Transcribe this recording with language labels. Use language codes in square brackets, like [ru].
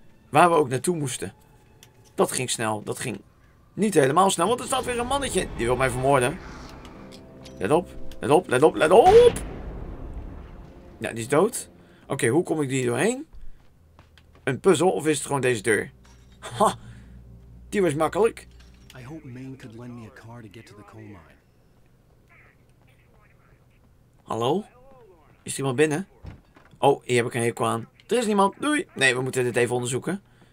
[nl] Waar we ook naartoe moesten. Dat ging snel. Dat ging niet helemaal snel. Want er staat weer een mannetje. Die wil mij vermoorden. Let op. Let op, let op, let op! Ja, die is dood. Oké, hoe kom ik die doorheen? Een puzzel of is het gewoon deze deur? Ha! Die was makkelijk. [en] I hope Main could lend me a car to get to the coal mine. [nl] Hallo? Is er iemand binnen? Oh, hier heb ik een hekel aan. Er is niemand. Doei! Nee, we moeten dit even onderzoeken.